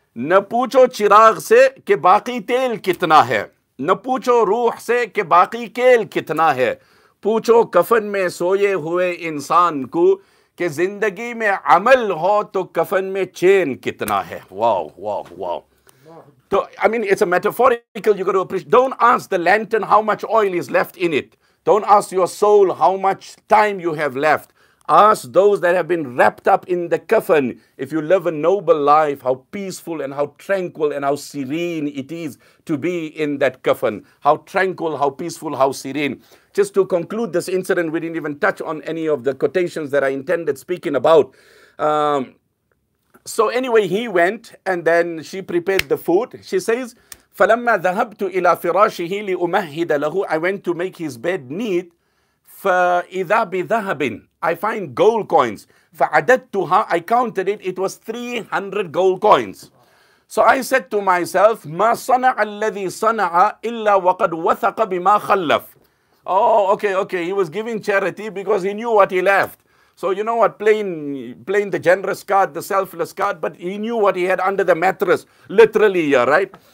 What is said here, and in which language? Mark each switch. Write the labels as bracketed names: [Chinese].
[Urdu] نپوچو چراغ سے کہ باقی تیل کتنا ہے. نپوچو روح سے کہ باقی کیل کتنا ہے. پوچھو کفن میں سوئے ہوئے انسان کو کہ زندگی میں عمل ہو تو کفن میں چین کتنا ہے. واو واو واو. [English] So, I mean, it's a metaphorical, you got to appreciate. Don't ask the lantern how much oil is left in it. Don't ask your soul how much time you have left. Ask those that have been wrapped up in the coffin. If you live a noble life, how peaceful and how tranquil and how serene it is to be in that coffin. How tranquil, how peaceful, how serene. Just to conclude this incident, we didn't even touch on any of the quotations that I intended speaking about. So anyway, he went and then she prepared the food. She says, [Arabic] فَلَمَّا ذَهَبْتُ إِلَىٰ فِرَاشِهِ لِأُمَهِّدَ لَهُ. [English] I went to make his bed neat. [Arabic] فَإِذَا بِذَهَبٍ. [English] I find gold coins. [Arabic] فَعَدَدْتُهَا. [English] I counted it. It was 300 gold coins. So I said to myself, [Arabic] مَا صَنَعَ الَّذِي صَنَعَ إِلَّا وَقَدْ وَثَقَ بِمَا خَلَّفْ. [English] Oh, okay. He was giving charity because he knew what he left. So you know what, playing the generous card, the selfless card, but he knew what he had under the mattress, literally, yeah, right?